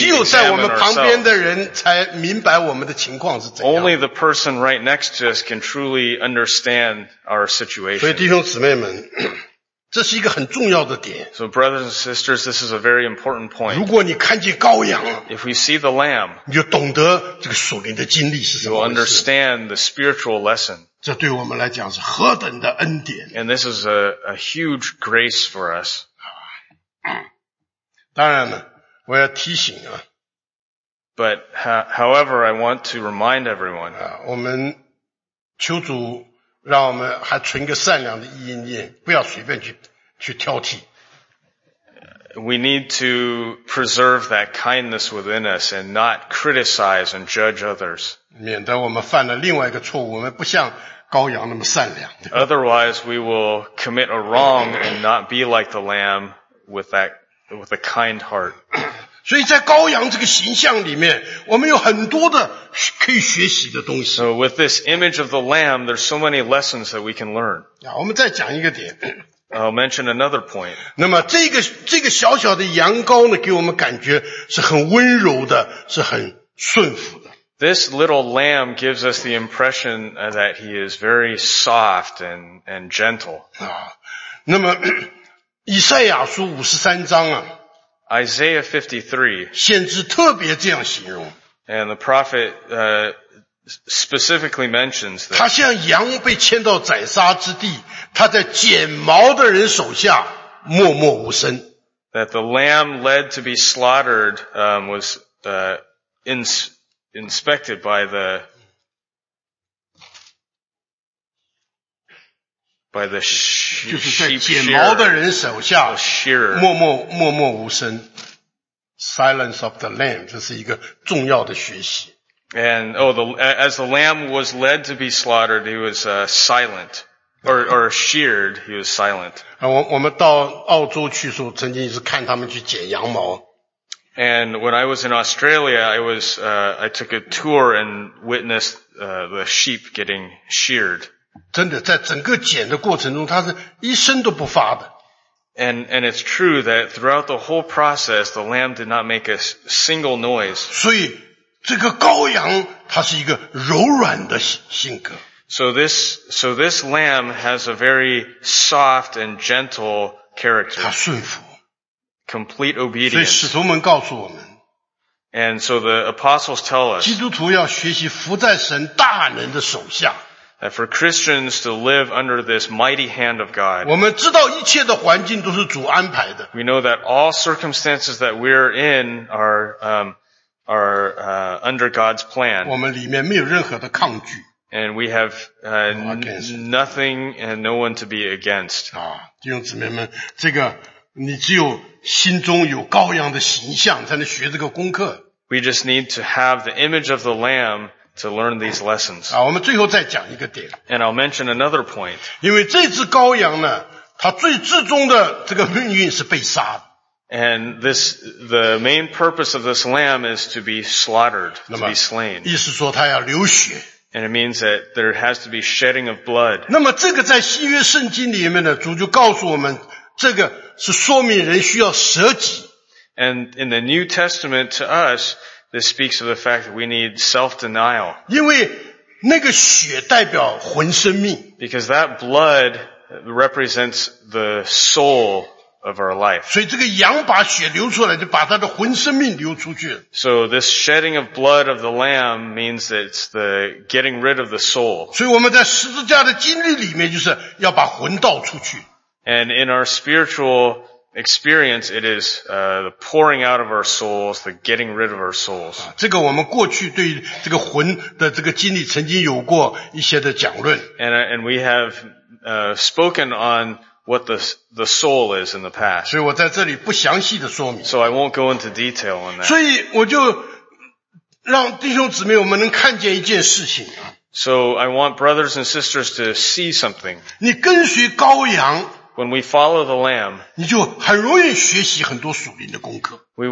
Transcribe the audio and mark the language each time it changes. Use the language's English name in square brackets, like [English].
[Chinese] 只有在我们旁边的人才明白我们的情况是怎样。 [English] Only the person right next to us can truly understand our situation. [Chinese] 所以弟兄姊妹们，这是一个很重要的点。 [English] So brothers and sisters, this is a very important point. [Chinese] 如果你看见羔羊， [English] If we see the lamb, [Chinese] 你就懂得这个属灵的经历是什么回事。 [English] You'll understand the spiritual lesson. [Chinese] 这对我们来讲是何等的恩典。 [English] And this is a huge grace for us. [Chinese] 当然了，我要提醒啊。 [English] But however, I want to remind everyone. [Chinese] 我们求主让我们还存个善良的意念，不要随便去挑剔。 [English] We need to preserve that kindness within us and not criticize and judge others. [Chinese] 免得我们犯了另外一个错误，我们不像羔羊那么善良。 [English] Otherwise, we will commit a wrong and not be like the lamb with a kind heart. [Chinese] 所以在羔羊这个形象里面，我们有很多的可以学习的东西。 [English] So with this image of the lamb, there's so many lessons that we can learn. [Chinese] 我们再讲一个点。 [English] I'll mention another point. [Chinese] 那么这个小小的羊羔呢，给我们感觉是很温柔的，是很顺服的。 [English] This little lamb gives us the impression that he is very soft and gentle. [Chinese] 那么以赛亚书53章啊。 [English] Isaiah 53. [Chinese] 先知特别这样形容。 [English] And the prophet, specifically mentions that. [Chinese] 他像羊被牵到宰杀之地，他在剪毛的人手下默默无声。 [English] That the lamb led to be slaughtered, was inspected by the shearer. [Chinese] 默默无声。 [English] Silence of the lamb, [Chinese] 这是一个重要的学习。 [English] And, oh, as the lamb was led to be slaughtered, he was, silent. Or sheared, he was silent. [Chinese] 我们到澳洲去的时候，曾经是看他们去剪羊毛。 [English] And when I was in Australia, I was, I took a tour and witnessed, the sheep getting sheared. [Chinese] 真的，在整个剪的过程中，它是一声都不发的。 [English] And it's true that throughout the whole process, the lamb did not make a single noise. [Chinese] 所以这个羔羊它是一个柔软的性格。 [English] So this lamb has a very soft and gentle character. [Chinese] 它顺服。 [English] Complete obedience. [Chinese] 所以使徒们告诉我们。 [English] And so the apostles tell us. [Chinese] 基督徒要学习服在神大能的手下。 [English] That for Christians to live under this mighty hand of God. [Chinese] 我们知道一切的环境都是主安排的。 [English] We know that all circumstances that we're in are under God's plan. [Chinese] 我们里面没有任何的抗拒。 [English] And we have nothing and no one to be against. [Chinese] 啊，弟兄姊妹们，这个你只有心中有羔羊的形象，才能学这个功课。 [English] We just need to have the image of the Lamb to learn these lessons. [Chinese] 啊，我们最后再讲一个点。 [English] And I'll mention another point. [Chinese] 因为这只羔羊呢，它最至终的这个命运是被杀的。 [English] And the main purpose of this lamb is to be slaughtered, to be slain. [Chinese] 意思说他要流血。 [English] And it means that there has to be shedding of blood. [Chinese] 那么这个在新约圣经里面呢，主就告诉我们，这个是说明人需要舍己。 [English] And in the New Testament to us, this speaks of the fact that we need self-denial. [Chinese] 因为那个血代表魂生命。 [English] Because that blood represents the soul. Of our life. [Chinese] 所以这个羊把血流出来，就把它的魂生命流出去。 [English] So this shedding of blood of the lamb means that it's the getting rid of the soul. [Chinese] 所以我们在十字架的经历里面，就是要把魂倒出去。 [English] And in our spiritual experience, it is the pouring out of our souls, the getting rid of our souls. [Chinese] 这个我们过去对这个魂的这个经历曾经有过一些的讲论。 [English] And we have spoken on. What the soul is in the past. [Chinese] 所以我在这里不详细的说明。 [English] So I won't go into detail on that. [Chinese] 所以我就让弟兄姊妹我们能看见一件事情。 [English] So I want brothers and sisters to see something. [Chinese] 你跟随羔羊。 [English] When we follow the lamb. [Chinese] 你就很容易学习很多属灵的功课。